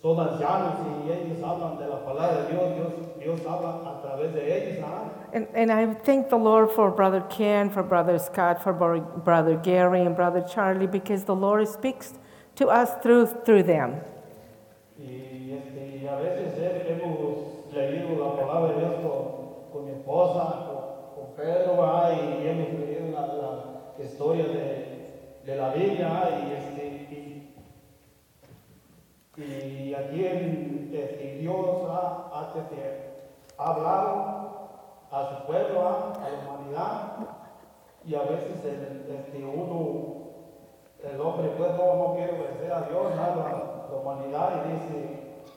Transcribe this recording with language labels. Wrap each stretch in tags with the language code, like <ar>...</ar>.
<es>son ancianos y ellos hablan de la palabra de Dios. Dios habla a través de ellos.</es> <en>And I thank the Lord for Brother Ken, for Brother Scott, for Brother Gary and Brother Charlie, because the Lord speaks to us through them.</en> <es>Y a veces hemos leído la palabra de Dios con mi esposa, con Pedro, y hemos leído la historia de la Biblia, y aquí Dios ha hablado a su pueblo, a la humanidad, y a veces el hombre pues no quiere obedecer a Dios, a la humanidad, y dice,</es>